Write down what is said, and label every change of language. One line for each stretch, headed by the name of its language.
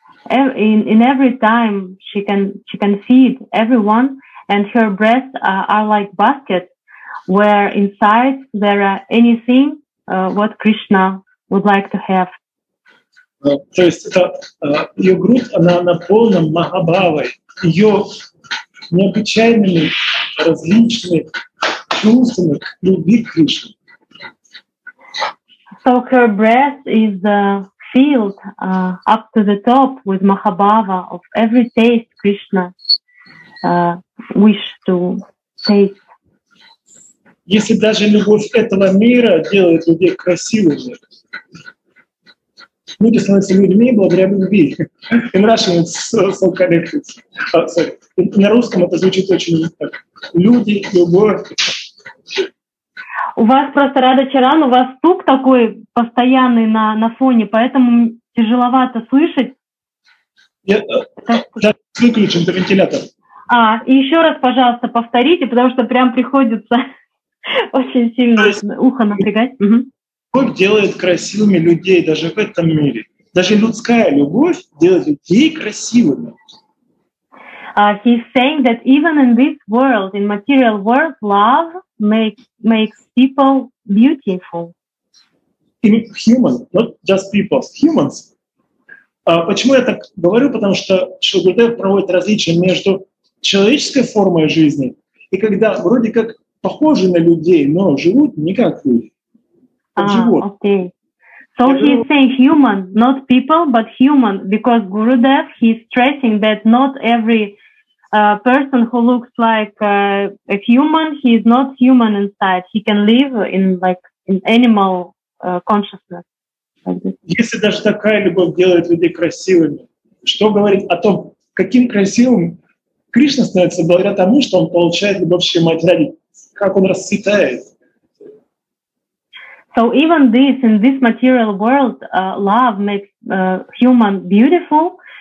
English: In every time she can feed everyone, and her breasts are like baskets where inside there are anything what Krishna would like to have.
Russian: То есть это ее грудь, она наполнена махабхавой, ее необычайными различными чувствами любви к Кришне.
English: So her breath is filled up to the top with mahabhava of every taste Krishna wish to taste.
Russian: Если даже любовь этого мира делает людей красивыми, люди становятся людьми благодаря любви.
English: In Russian it's so connected.
Russian: На русском это звучит очень так. Люди, любовь. У вас просто Радхачаран, у вас стук такой постоянный на фоне, поэтому тяжеловато слышать. Я сейчас выключим до вентилятора. А, и еще раз, пожалуйста, повторите, потому что прям приходится очень сильно ухо напрягать. Любовь делает красивыми людей даже в этом мире. Даже людская любовь делает людей красивыми.
English: He's saying that even in this world, in material world, love makes people beautiful. In humans, not just people, humans.
Russian: Почему я так говорю? Потому что Шри Гурудев проводит различия между человеческой формой жизни и когда вроде как похожи на людей, но живут не как люди.
English: Okay. So he's saying human, not people, but human, because Gurudev, he's stressing that not every person who looks like a human, he is not human inside. He can live in like in animal consciousness.
Russian: Если даже такая любовь делает людей красивыми, что говорит о том, каким красивым Кришна становится благодаря тому, что он получает любовь Шри Матери, как он расцветает.
English: So even this in this material world, love makes human beautiful.